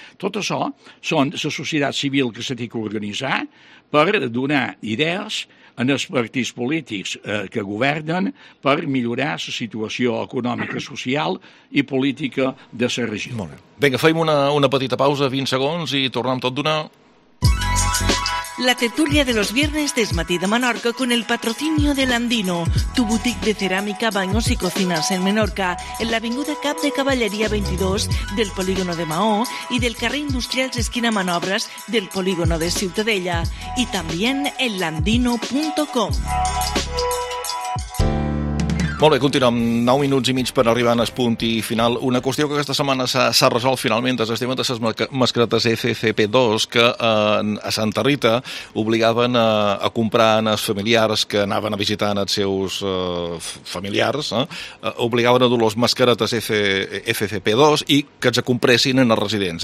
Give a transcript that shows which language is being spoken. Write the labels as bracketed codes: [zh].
[ca] Tot això són la societat civil que s'ha d'organitzar per donar idees als partits polítics que governen per millorar la situació econòmica, social i política de la regió. Molt bé. Vinga, fem una petita pausa, 20 segons, i tornem tot d'una. [es] La tertulia de los viernes de Esmatí de Menorca con el patrocinio de Landino, tu boutique de cerámica, baños y cocinas en Menorca, en la Avinguda Cap de Caballería 22 del Polígono de Mahó y del Carrer Industrial de Esquina Manobras del Polígono de Ciutadella, y también en landino.com. [ca] Molt bé, continuem. 9 minuts i mig per arribar en el punt i final. Una qüestió que aquesta setmana s'ha resolt finalment és el tema de les mascaretes FFP2 que a Santa Rita obligaven a comprar en els familiars que anaven a visitar els seus familiars, obligaven a dur les mascaretes FFP2 i que els compressin en els residents.